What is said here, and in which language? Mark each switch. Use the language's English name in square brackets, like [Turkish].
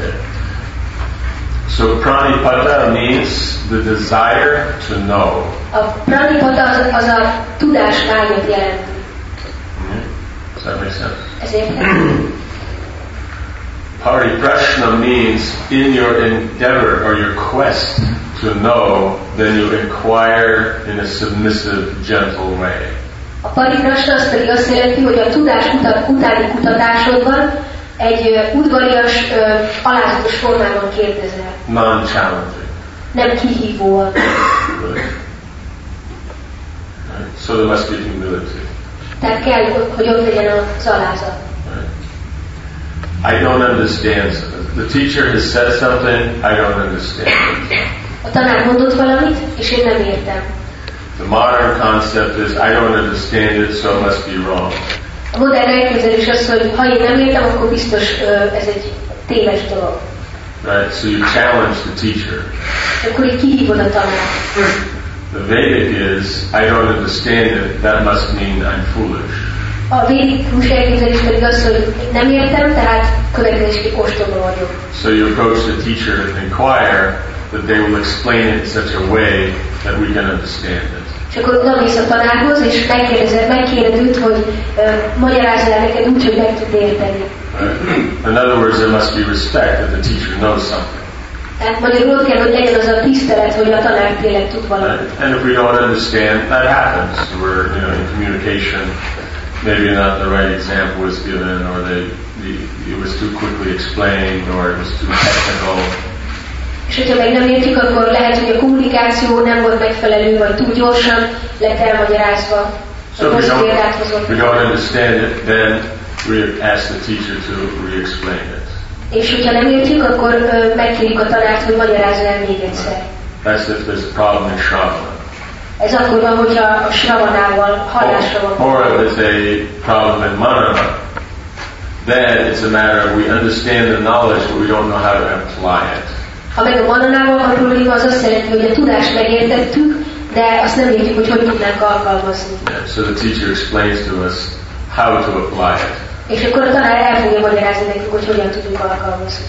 [English] Okay. So pranipata means the desire to know. [Hungarian] A pranipata az a tudás vágyat jelent. [English] Does that make sense? Pariprasna means in your endeavor or your quest to know, then you inquire in a submissive, gentle way. [Hungarian] A parikrasna az pedig azt jelenti, hogy a tudás utáni kutatásodban egy udvarias, alázatos formában kérdezel. [English] Non-challenging. [Hungarian] Nem kihívóan. [English] So there must be humility. [Hungarian] Tehát kell, hogy ott legyen az alázat. [English] I don't understand. The teacher has said something, I don't understand. [Hungarian] A tanár mondott valamit, és én nem értem. [English] The modern concept is, I don't understand it, so it must be wrong. [Hungarian] A modern elképzelés az, hogy ha én nem értem, akkor biztos ez egy téves dolog. [English] Right, so you challenge the teacher. [Hungarian] Akkor így kihívod a tanárt. [English] The Vedic is, I don't understand it, that must mean I'm foolish. [Hungarian] A védikus elképzelés pedig az, hogy nem értem, tehát következésképp kóstolva vagyok. [English] So you approach the teacher and inquire that they will explain it in such a way that we can understand it. [Hungarian] És akkor oda visz a tanárhoz, és megkérdez őt, hogy magyarázz el neked úgy, hogy meg tud érteni. [English] In other words, there must be respect that the teacher knows something. [Hungarian] Tehát magyarul ott kell, hogy legyen az a tisztelet, hogy a tanár tényleg tud valamit. [English] And if we don't understand, that happens. We're, you know, in communication. Maybe not the right example was given, or it was too quickly explained, or it was too technical. [Hungarian] És hogyha meg nem értjük, akkor lehet, hogy a kommunikáció nem volt megfelelő, vagy túl gyorsan lett elmagyarázva. [English] So if we don't understand it, then we ask the teacher to re-explain it. [Hungarian] És hogyha nem értjük, akkor megkérjük a tanárt, hogy magyarázza el még egyszer. [English] That's if there's a problem in Shravana. [Hungarian] Ez akkor van, hogyha a Shravanával hallásra van. [English] Or if there's a problem in Manana, then it's a matter of we understand the knowledge, but we don't know how to apply it. [Hungarian] Ha meg a Mananával van probléma, az azt jelenti, hogy a tudást megértettük, de azt nem értjük, hogy hogy tudnánk alkalmazni. [English] Yeah, so the teacher explains to us how to apply it. [Hungarian] És akkor a tanár el fogja magyarázni nekünk, hogy hogyan tudunk alkalmazni.